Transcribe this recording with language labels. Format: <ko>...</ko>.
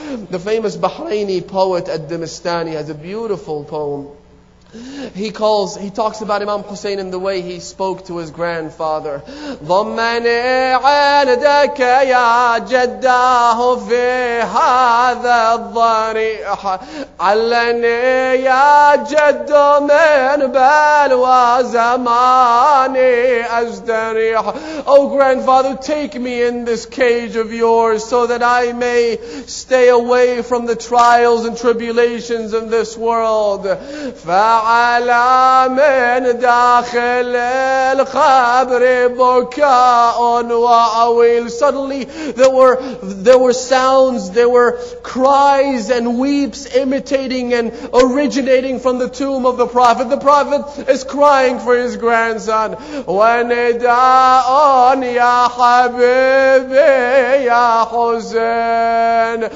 <en>The famous Bahraini poet Ad-Dimistani has a beautiful poem. He talks about Imam Hussein and the way he spoke to his grandfather.</en> <ar>ضمني عندك يا جداه في هذا الضريح علني يا جد من بلوى زماني أستريح.</ar> <en>Oh grandfather, take me in this cage of yours so that I may stay away from the trials and tribulations of this world.</en> <ar>فعلى من داخل الخبر بكاء وأويل.</ar> <en>Suddenly there were sounds, there were cries and weeps imitating and originating from the tomb of the Prophet. The Prophet is crying for his grandson.</en> <ar>ونداء يا حبيبي يا حسين.</ar>